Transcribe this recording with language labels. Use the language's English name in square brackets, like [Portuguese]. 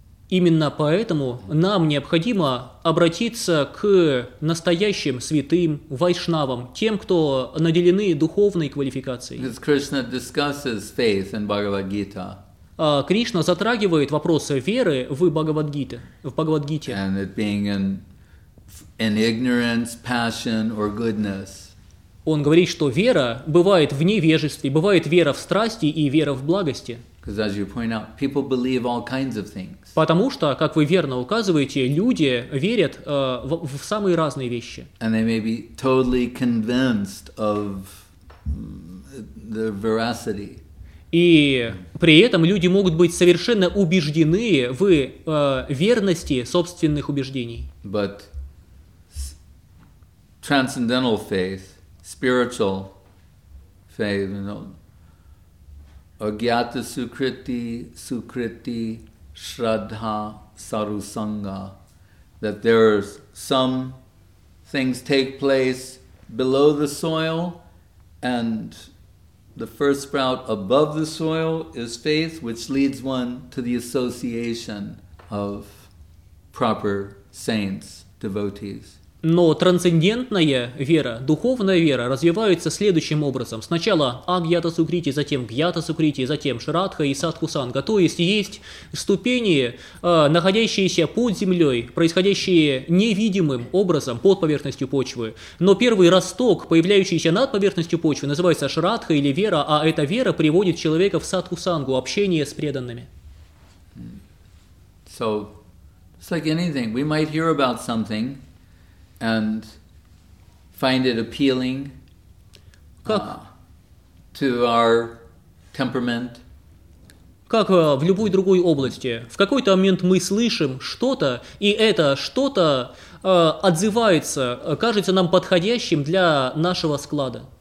[Russian] Именно поэтому нам необходимо обратиться к настоящим святым вайшнавам, тем, кто наделены духовной квалификацией. [English] Because Krishna discusses faith in Bhagavad-gita. [Russian] Кришна затрагивает вопросы веры в Бхагавад-гите, в Бхагавад-гите. [English] And it being in ignorance, passion or goodness. [Russian] Он говорит, что вера бывает в невежестве, бывает вера в страсти и вера в благости. [English] Because, as you point out, people believe all kinds of things. [Russian] Потому что, как вы верно указываете, люди верят в самые разные вещи. [English] And they may be totally convinced of their veracity. [Russian] И при этом люди могут быть совершенно убеждены в верности собственных убеждений. [English] But transcendental faith, spiritual faith, you know, agyata sukriti, sukriti, shraddha, sarusanga, that there's some things take place below the soil, and the first sprout above the soil is faith, which leads one to the association of proper saints, devotees. [Russian] Но трансцендентная вера, духовная вера развивается следующим образом. Сначала агьята сукрити, затем гьята сукрити, затем шрадха и садхусанга. То есть есть ступени, находящиеся под землей, происходящие невидимым образом под поверхностью почвы. Но первый росток, появляющийся над поверхностью почвы, называется шрадха или вера, а эта вера приводит человека в садхусангу, общение с преданными. [English] So, it's like anything. We might hear about something and find it appealing to our temperament. [Russian] Как в любой другой области. В какой-то момент мы слышим что-то, и это что-то отзывается, кажется нам подходящим для нашего склада.